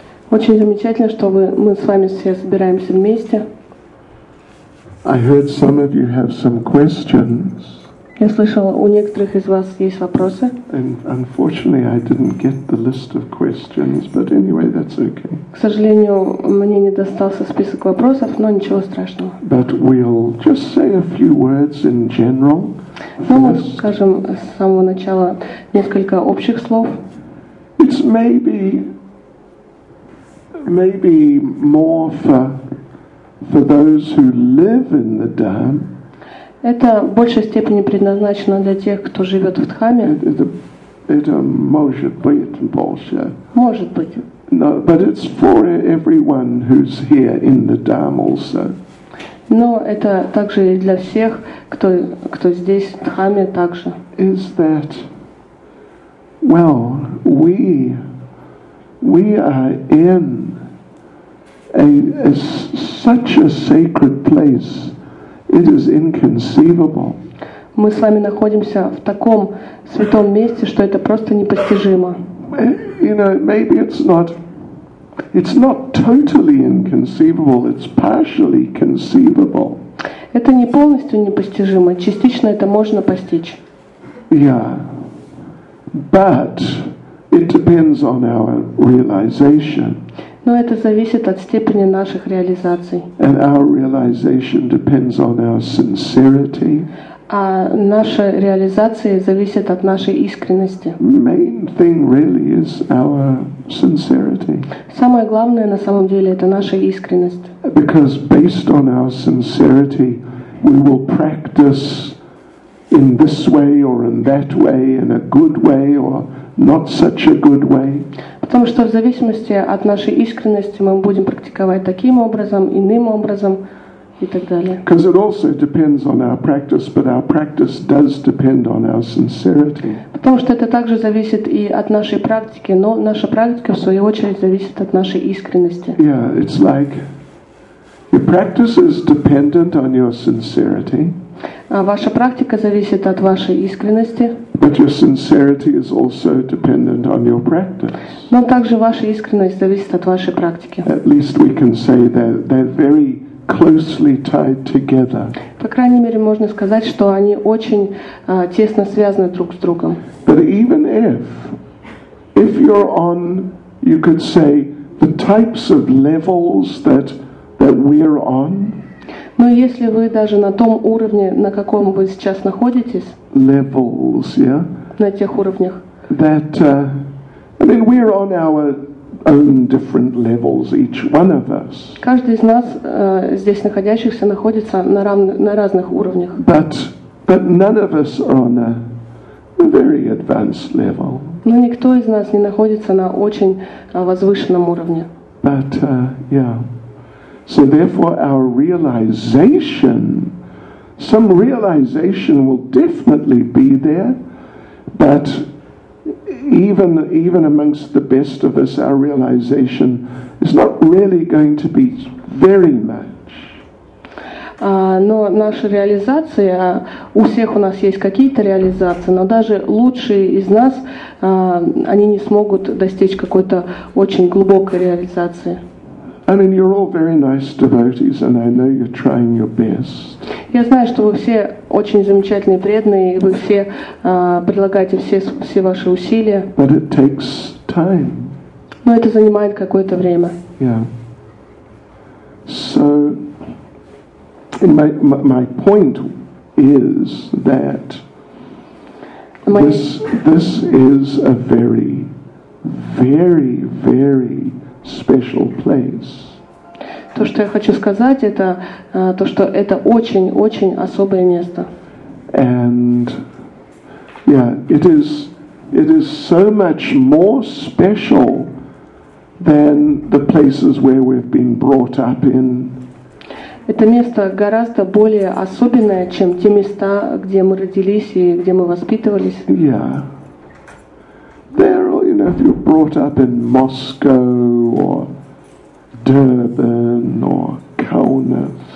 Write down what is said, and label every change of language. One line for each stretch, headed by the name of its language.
Russian: Очень замечательно, что мы с вами все собираемся вместе.
English: I heard some of you have some questions.
Russian: Я слышала, у некоторых из вас есть вопросы.
English: And unfortunately, I didn't get the list of questions, but anyway, that's okay.
Russian: К сожалению, мне не достался список вопросов, но ничего страшного.
English: But we'll just say a few words in general.
Russian: Ну, мы скажем с самого начала несколько общих слов.
English: It's maybe more for those who live in the dham.
Russian: Это в большей степени предназначено для тех, кто живет в дхаме. Это может быть больше. Может быть.
English: No, but it's for everyone who's here in the dham also.
Russian: Но это также и для всех, кто здесь в дхаме также.
English: Is that? Well, we are in is such a sacred place, it is inconceivable.
Russian: Мы с вами находимся в таком святом месте, что это просто непостижимо.
English: You know, maybe it's not totally inconceivable, it's partially conceivable.
Russian: Это не полностью непостижимо, частично это можно постичь.
English: Yeah, but it depends on our realization.
Russian: Но это зависит от степени наших реализаций.
English: And our realization depends on our sincerity.
Russian: А наша реализация зависит от нашей искренности.
English: Main thing really is our sincerity.
Russian: Самое главное на самом деле это наша искренность.
English: Because based on our sincerity, we will practice in this way or in that way, in a good way or not such a good way.
Russian: Потому что в зависимости от нашей искренности мы будем практиковать таким образом, иным образом и так далее.
English: Because it also depends on our practice, but our practice does depend on our sincerity.
Russian: Потому что это также зависит и от нашей практики, но наша практика в свою очередь зависит от нашей искренности.
English: Yeah, it's like your practice is dependent on your sincerity.
Russian: А ваша практика зависит от вашей искренности.
English: But your sincerity is also dependent on your practice.
Russian: Но также ваша искренность зависит от вашей практики.
English: At least we can say that they're very closely tied together.
Russian: По крайней мере, можно сказать, что они очень тесно связаны друг с другом.
English: But even if you're on, you could say, the types of levels that we're on.
Russian: Но если вы даже на том уровне, на каком вы сейчас находитесь,
English: levels, yeah,
Russian: на тех уровнях,
English: that, I mean, we're on our own different levels, each one of us.
Russian: Каждый из нас здесь находящихся находится на разных уровнях.
English: But none of us are on a very advanced level.
Russian: Но никто из нас не находится на очень возвышенном уровне.
English: But yeah. So therefore, our realization, some realization will definitely be there, but even amongst the best of us, our realization is not really going to be very much.
Russian: Но наша реализация, у всех у нас есть какие-то реализации, но даже лучшие из нас, они не смогут достичь какой-то очень глубокой реализации.
English: I mean, you're all very nice devotees, and I know you're trying your best.
Russian: Я знаю, что вы все очень замечательные преданные, и вы все прилагаете все ваши усилия.
English: But it takes time.
Russian: Но это занимает какое-то время.
English: Yeah. So my point is that this is a very, very, very special place.
Russian: То, что я хочу сказать, это то, что это очень-очень особое место.
English: And yeah, it is so much more special than the places where we've been brought up in.
Russian: Это место гораздо более особенное, чем те места, где мы родились и где мы воспитывались.
English: Yeah. If you're brought up in Moscow or Durban or Kaunas.